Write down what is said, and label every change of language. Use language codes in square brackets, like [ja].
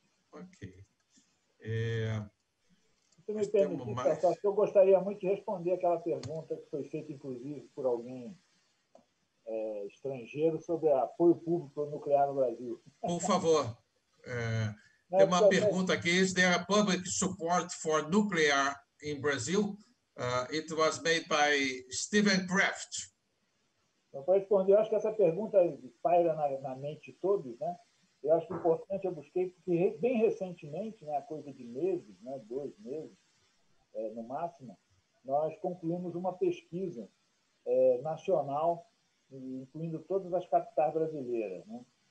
[pt] Ok. Eu gostaria muito de responder aquela pergunta que foi feita, inclusive, por alguém estrangeiro sobre apoio público para o nuclear no Brasil. Por favor. Tem uma pergunta aqui. [en] Is there a public support for nuclear in Brazil? It was made by Stephen Kraft. [pt] Então, para responder, eu acho que essa pergunta paira na mente de todos, né? Eu acho importante, eu busquei, porque bem recentemente, né, coisa de meses, né, dois meses, no máximo, nós concluímos uma pesquisa nacional, incluindo todas as capitais brasileiras. Né?